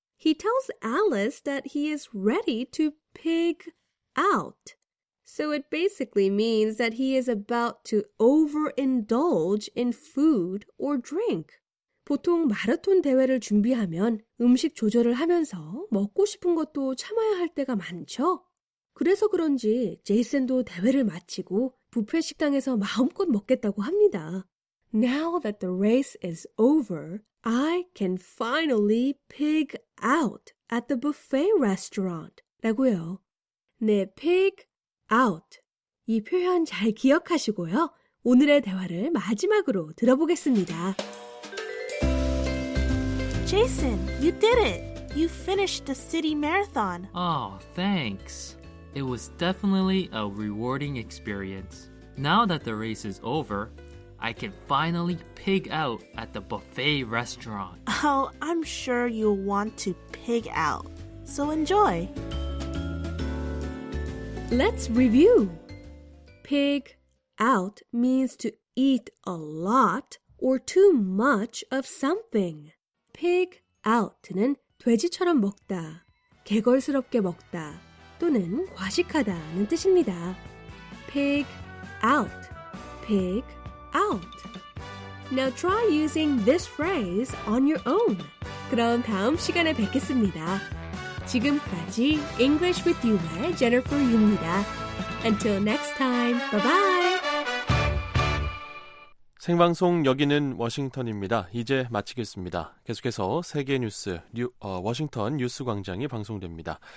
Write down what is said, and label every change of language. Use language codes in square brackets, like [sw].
[en] He tells Alice that he is ready to pig out. So it basically means that he is about to overindulge in food or drink. [ko] 보통 마라톤 대회를 준비하면 음식 조절을 하면서 먹고 싶은 것도 참아야 할 때가 많죠? 그래서 그런지 제이슨도 대회를 마치고 뷔페 식당에서 마음껏 먹겠다고 합니다. [en] Now that the race is over, I can finally pig out at the buffet restaurant. [ko] 라고요. 네, pig out. 이 표현 잘 기억하시고요. 오늘의 대화를 마지막으로 들어보겠습니다. [en] Jason, you did it! You finished the city marathon. Oh, thanks. It was definitely a rewarding experience. Now that the race is over, I can finally pig out at the buffet restaurant. Oh, I'm sure you'll want to pig out. So enjoy. Let's review. Pig out means to eat a lot or too much of something. Pig out [ko] 는 돼지처럼 먹다, 개걸스럽게 먹다 또는 과식하다는 뜻입니다. [en] Pig out. Pig out. Now try using this phrase on your own. [ko] 그럼 다음 시간에 뵙겠습니다. 지금까지 English with You의 Jennifer Yu입니다. [en] Until next time, bye-bye! [ko] 생방송 여기는 워싱턴입니다. 이제 마치겠습니다. 계속해서 세계 뉴스, 워싱턴 뉴스 광장이 방송됩니다.